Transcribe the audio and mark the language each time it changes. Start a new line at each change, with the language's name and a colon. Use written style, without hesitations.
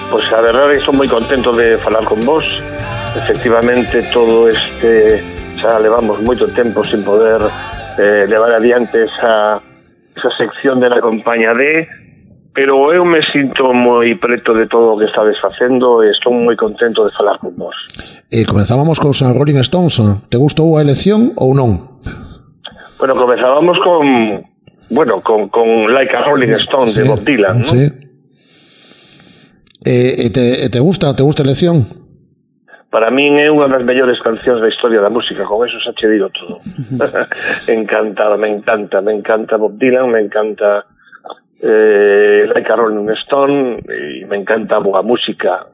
Spanish: Pues la verdad estoy muy contento de hablar con vos. Efectivamente todo este, ya llevamos mucho tiempo sin poder llevar adiante esa sección de la compañía D, pero
Galician: eu me sinto moi preto de todo o que estades facendo e estou moi contento de falar con vos. E comenzábamos con San Rolling Stones. Te gustou a elección ou non?
Spanish: Bueno, comenzábamos con, bueno, con Like a Rolling Stone, sí, de Bob Dylan, ¿no? Sí. ¿Te gusta a elección?
Galician: Para min é unha das mellores cancións da historia da música, con eso xa che digo todo. Encantado, me encanta Bob Dylan, me encanta Like a Rolling Stone e me encanta boa música.